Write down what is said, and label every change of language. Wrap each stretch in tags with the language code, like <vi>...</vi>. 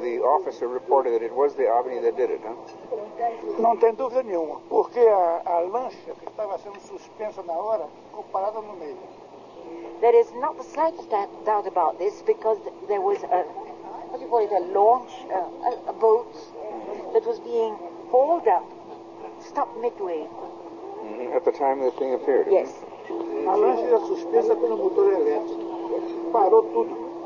<en>The officer reported that it was the OVNI that did it, huh?</en> <pt>Não tem dúvida nenhuma, porque a lancha que estava sendo suspensa na hora ficou parada no meio.</pt> <en>There is not the slightest doubt about this because there was a, what do you call it, a launch, a boat that was being hauled up, stopped midway. Mm-hmm. At the time the thing appeared? Yes.</en> <pt>A lancha era suspensa pelo motor elétrico. Parou tudo.</pt>